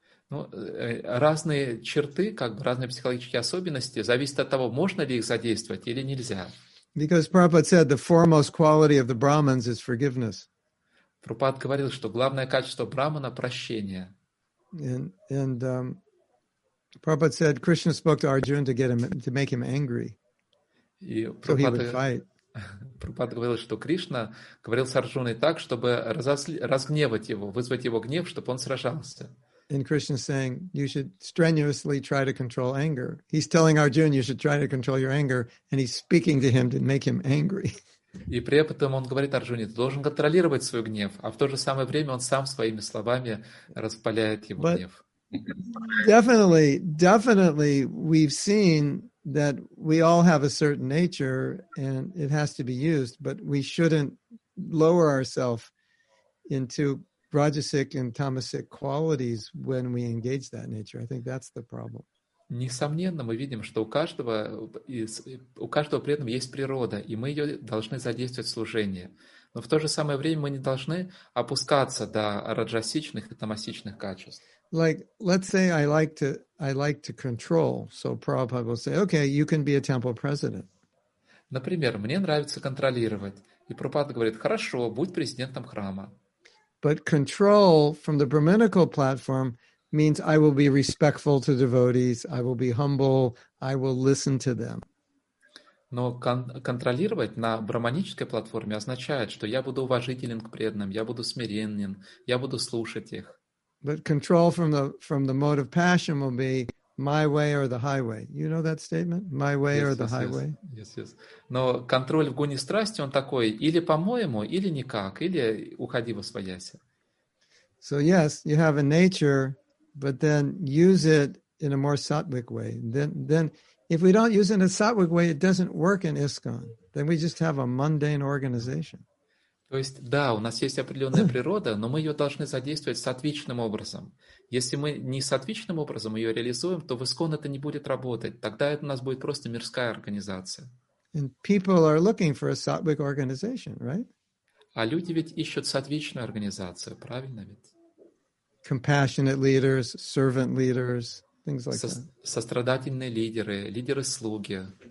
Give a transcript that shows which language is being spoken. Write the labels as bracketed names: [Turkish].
[Russian] Ну, разные черты, как бы разные психологические особенности, зависят от того, можно ли их задействовать или нельзя. [English] Because Prabhupada said the foremost quality of the Brahmins is forgiveness. [Russian] Прабхупада говорил, что главное качество брахмана — прощение. [English] Prabhupada said Krishna spoke to Arjuna to get him to make him angry. So he would fight. [Russian] Прабхупада говорил, что Кришна говорил с Арджуной так, чтобы разгневать его, вызвать его гнев, чтобы он сражался. [English] And Krishna saying you should strenuously try to control anger. He's telling Arjuna you should try to control your anger, and he's speaking to him to make him angry. [Russian] И при этом он говорит Арджуне, ты должен контролировать свой гнев, а в то же самое время он сам своими словами распаляет его гнев. [English] Definitely, we've seen that we all have a certain nature and it has to be used, but we shouldn't lower ourselves into rajasic and tamasic qualities when we engage that nature. I think that's the problem. [Russian] Несомненно, мы видим, что у каждого при этом есть природа, и мы ее должны задействовать в служении. Но в то же самое время мы не должны опускаться до раджасичных и тамасичных качеств. [English] Like, let's say I like to control. So Prabhupada will say, okay, you can be a temple president. [Russian] Например, мне нравится контролировать. И Прабхупада говорит, хорошо, будь президентом храма. [English] But control from the brahminical platform means I will be respectful to devotees, I will be humble, I will listen to them. [Russian] Но контролировать на брахманической платформе означает, что я буду уважителен к преданным, я буду смиренен, я буду слушать их. [English] But control from the mode of passion will be my way or the highway. You know that statement? My way or the highway? Yes. [Russian] Но контроль в гуне страсти, он такой, или по-моему, или никак, или уходи во свояси. [English] So yes, you have a nature, but then use it in a more sattvic way. Then if we don't use it in a sattvic way, it doesn't work in ISKCON. Then we just have a mundane organization. [Russian] То есть, да, у нас есть определенная природа, но мы ее должны задействовать сатвичным образом. Если мы не сатвичным образом ее реализуем, то в ИСКОН это не будет работать. Тогда это у нас будет просто мирская организация. [English] And people are looking for a sattvic organization, right? [Russian] А люди ведь ищут сатвичную организацию, правильно ведь? [English] Compassionate leaders, servant leaders, things like that. [Russian] Сострадательные лидеры, лидеры-слуги.